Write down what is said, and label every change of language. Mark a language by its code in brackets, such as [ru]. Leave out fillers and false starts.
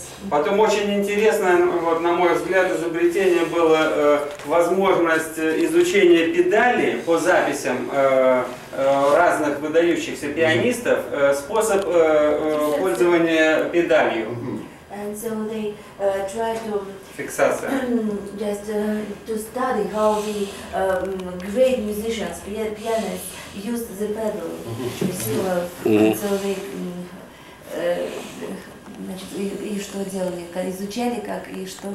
[ru] Потом очень интересное, вот, на мой взгляд, изобретение было возможность изучения педали по записям разных выдающихся пианистов, способ пользования педалью. [en] And so they try to fixate. Just to study how the great musicians, pianists, used the pedal. [ru] Значит, и что делали, изучали, как и что?